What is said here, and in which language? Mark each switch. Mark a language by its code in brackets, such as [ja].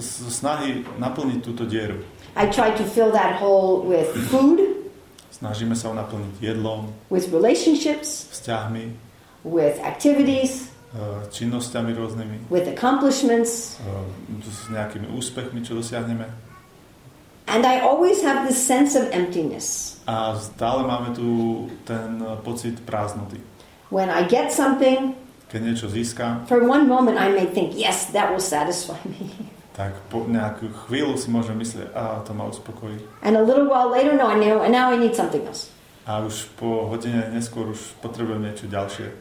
[sk] Snahy naplniť túto dieru. [en] I try to fill that hole with food. [sk] Snažíme sa ho naplniť jedlom, [en] with relationships, [sk] vzťahmi, [en] with activities, [sk] činnosťami rôznymi, [en] with accomplishments, [sk] s nejakými úspechmi, čo dosiahneme. [en] And I always have this sense of emptiness. [sk] A stále máme tu ten pocit prázdnoty. [en] When I get something, [sk] keď niečo získam, [en] for one moment I may think, yes, that will satisfy me. [sk] Tak po nejakú chvíľu si môže myslieť, to ma uspokojí. [en] And a little while later, no, now I need something else. [sk] A už po hodine neskôr už potrebujem niečo ďalšie.